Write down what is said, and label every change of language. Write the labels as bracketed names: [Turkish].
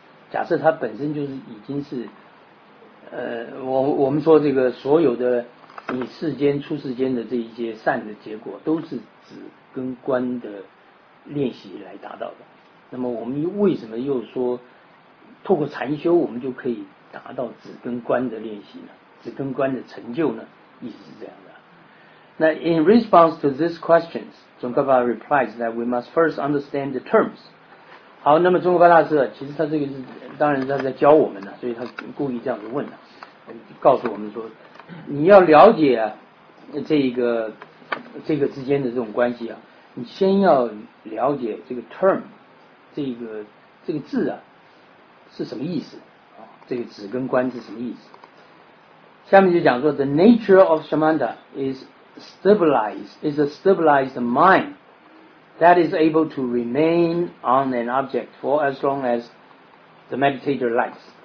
[Chinese] 假设他本身就是已经是我们说这个所有的你世间出世间的这一些善的结果都是止跟观的练习来达到的，那么我们为什么又说透过禅修我们就可以达到止跟观的练习呢？止跟观的成就呢？意思是这样的。 [English] 那 in response to these questions, 中科巴 replies that we must first understand the terms. [Chinese] 好，那么中科巴大师其实他这个是当然他在教我们的，所以他故意这样子问的，告诉我们说你要了解啊这个之间的这种关系啊，你先要了解这个 term, 这个字啊是什么意思啊，这个止跟观是什么意思。下面就讲说 [English] the nature of Samatha is a stabilized mind that is able to remain on an object for as long as the meditator likes.